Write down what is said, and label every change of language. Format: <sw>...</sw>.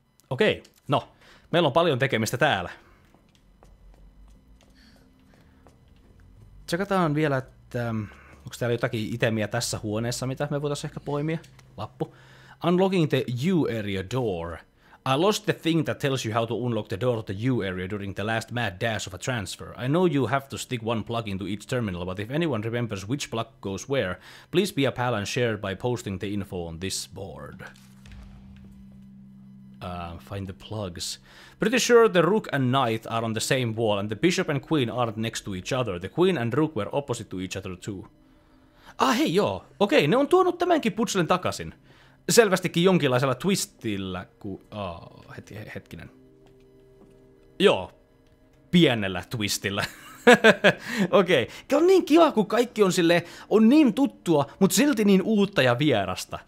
<fi>Okei, okay. No. Meillä on paljon tekemistä täällä. Tsekataan vielä, että onko täällä jotakin itemiä tässä huoneessa, mitä me voitaisiin ehkä poimia.</fi> <en>Lappu. Unlocking the U-area door. I lost the thing that tells you how to unlock the door to the U-area during the last mad dash of a transfer. I know you have to stick one plug into each terminal, but if anyone remembers which plug goes where, please be a pal and share by posting the info on this board. Find the plugs. Pretty sure the rook and knight are on the same wall, and the bishop and queen aren't next to each other. The queen and rook were opposite to each other too.</en> <fi>Ah, hei joo. Okei, ne on tuonut tämänkin putselen takaisin. Selvästikin jonkinlaisella twistillä, hetkinen. Joo. Pienellä twistillä. Okei, okay. On niin kiva, kun kaikki on sille on niin tuttua, mutta silti niin uutta ja vierasta.</fi>